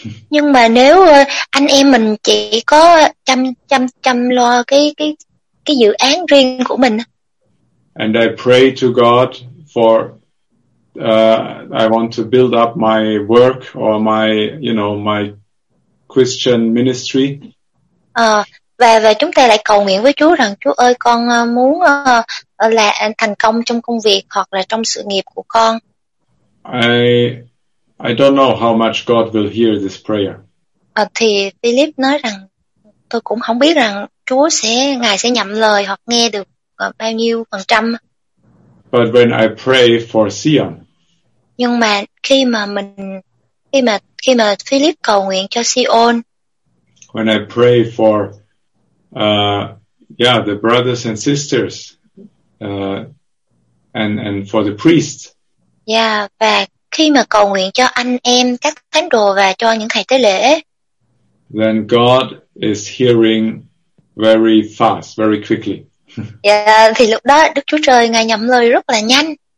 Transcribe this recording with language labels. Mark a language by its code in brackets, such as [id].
[vi] Nhưng mà nếu anh em mình chỉ có chăm lo cái dự án riêng của mình. [en] And I pray to God for I want to build up my work or my, you know, my Christian ministry. [vi] Và chúng ta lại cầu nguyện với Chúa rằng Chúa ơi, con muốn là thành công trong công việc hoặc là trong sự nghiệp của con. [en] I don't know how much God will hear this prayer. [vi] Thì Philip nói rằng tôi cũng không biết rằng Chúa sẽ Ngài sẽ nhậm lời hoặc nghe được bao nhiêu phần trăm. [en] But when I pray for Zion. [vi] Nhưng mà khi mà Philip cầu nguyện cho Zion. [en] When I pray for the brothers and sisters and for the priests. [vi] Yeah, và khi mà cầu nguyện cho anh em, các thánh đồ và cho những thầy tế lễ. [en] Then God is hearing very fast, very quickly. [vi] Yeah, thì lúc đó Đức Chúa Trời Ngài nhậm lời rất là nhanh.